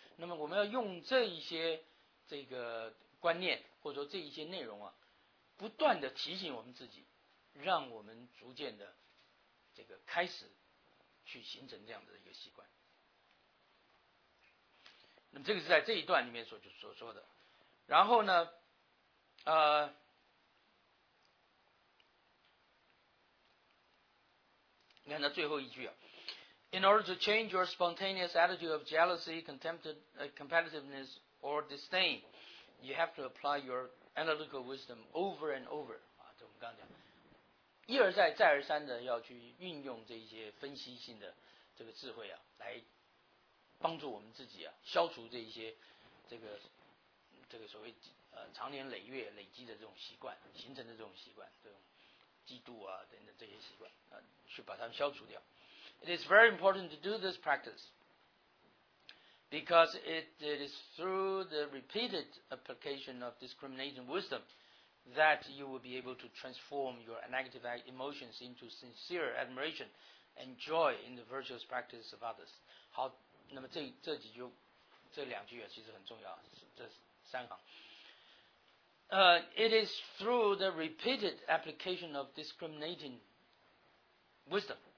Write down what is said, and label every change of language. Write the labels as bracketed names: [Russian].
[Chinese] 那么我们要用这一些这个观念或者说这一些内容啊，不断的提醒我们自己，让我们逐渐的这个开始去形成这样的一个习惯。那么这个是在这一段里面所说的。然后呢，你看他最后一句啊， [English] In order to change your spontaneous attitude of jealousy, competitiveness, or disdain, you have to apply your analytical wisdom over and over. [Chinese] 啊，这我们刚刚讲，一而再，再而三的要去运用这些分析性的这个智慧啊，来帮助我们自己啊，消除这些这个所谓常年累月累积的这种习惯，形成的这种习惯，这种嫉妒啊等等这些习惯啊，去把它们消除掉。 [English] It is very important to do this practice because it is through the repeated application of discriminating wisdom that you will be able to transform your negative emotions into sincere admiration and joy in the virtuous practice of others. [Chinese] 好，那么这两句啊，其实很重要，这三行。 [English] It is through the repeated application of discriminating wisdom.